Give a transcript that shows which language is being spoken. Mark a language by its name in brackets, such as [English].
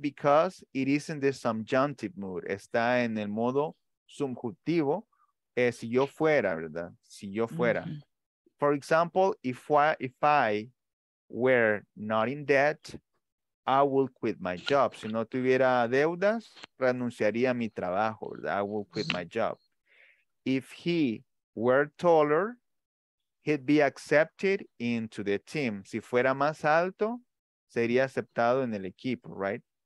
[English] Because it is in the subjunctive mood. Está en el modo subjuntivo. [Spanish] Si yo fuera, ¿verdad? Si yo fuera. Mm-hmm. [English] For example, if I were not in debt, I would quit my job. [Spanish] Si no tuviera deudas, renunciaría a mi trabajo. [English] I would quit my job. If he were taller, he'd be accepted into the team. [Spanish] Si fuera más alto, sería aceptado en el equipo, right?